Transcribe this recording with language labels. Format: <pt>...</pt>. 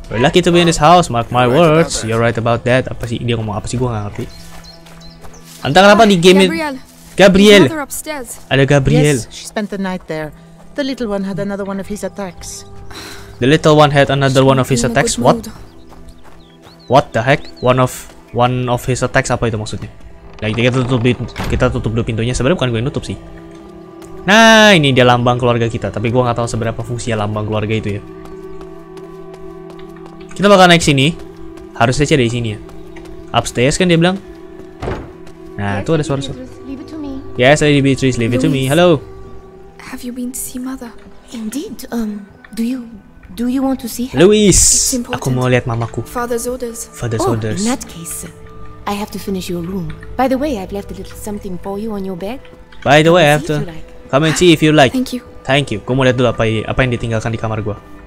<en>We're lucky to be in this house. Mark my words. You're right about that.</en> <id>Apa sih dia ngomong apa sih? Gue nggak ngerti. Entah kenapa di game Gabriel. Ada Gabriel.</id> <en>Yes, she spent the night there. The little one had another one of his attacks. The little one had another one of his attacks. What? What the heck? One of his attacks,</en> <id>apa itu maksudnya? Nah, kita tutup dulu pintunya. Sebenarnya bukan gue yang nutup sih. Nah, ini dia lambang keluarga kita. Tapi gue nggak tahu seberapa fungsinya lambang keluarga itu ya. Kita bakal naik sini. Harusnya sih ada di sini ya. Upstairs kan dia bilang. Nah, itu ada suara-suara.</id> <en>Yes, Lady Beatrice, leave it to me. Hello. Have you been to see mother? Indeed. Do you? Do you want to see her?</en> <id>Louis, aku mau lihat mamaku.</id> <en>Father's orders. Father's orders. In that case, I have to finish your room. By the way, I've left a little something for you on your bed. By the way, I have to come and see if you like. Thank you. Thank you.</en> <id>Aku mau lihat dulu apa yang ditinggalkan di kamar gua.</id>